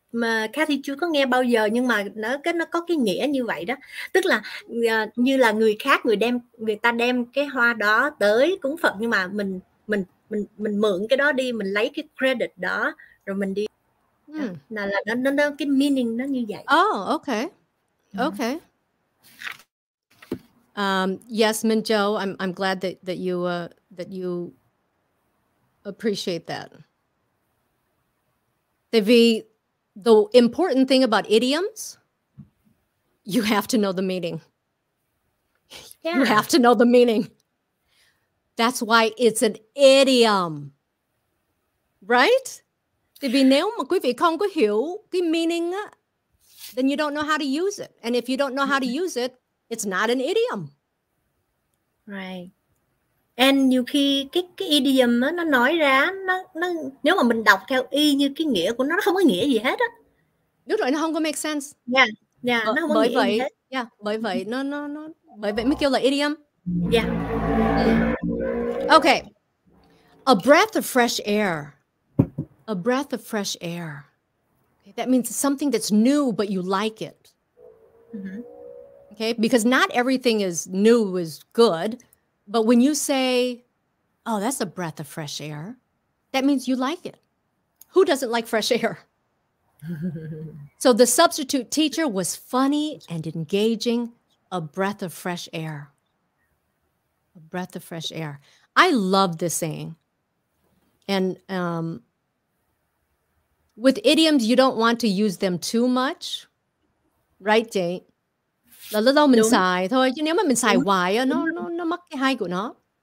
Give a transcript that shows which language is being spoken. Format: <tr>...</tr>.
<vi>Mà Kathy chưa có nghe bao giờ, nhưng mà nó có cái nghĩa như vậy đó. Tức là như là người khác, người ta đem cái hoa đó tới cúng Phật, nhưng mà mình mượn cái đó đi, mình lấy cái credit đó rồi mình đi. Là cái meaning nó như vậy.</vi> <en>Oh, okay. Okay. Yes, Minh Châu, I'm glad that you appreciate that. The important thing about idioms, you have to know the meaning. Yeah. You have to know the meaning. That's why it's an idiom. Right?</en> <vi>Tại vì nếu mà quý vị không có hiểu cái meaning,</vi> <en>then you don't know how to use it. And if you don't know how to use it, it's not an idiom. Right.</en> <vi>And nhiều khi cái idiom đó, nó nói ra, nó nếu mà mình đọc theo y như cái nghĩa của nó không có nghĩa gì hết á. Đúng rồi, nó không có</vi> <en>make sense.</en> <vi>Yeah, yeah, nó không có bởi nghĩa vậy, gì hết. Yeah, bởi vậy, nó, bởi vậy mới kêu là idiom.</vi> <en>Yeah. Okay. A breath of fresh air. A breath of fresh air. Okay, that means something that's new, but you like it. Mm-hmm. Okay, because not everything is new is good. But when you say, oh, that's a breath of fresh air, that means you like it. Who doesn't like fresh air? So the substitute teacher was funny and engaging, a breath of fresh air. A breath of fresh air. I love this saying. And with idioms, you don't want to use them too much. Right, Jane?</en> <vi>Là lâu lâu mình xài thôi, chứ nếu mà mình xài hoài nó mất cái hay của nó.</vi>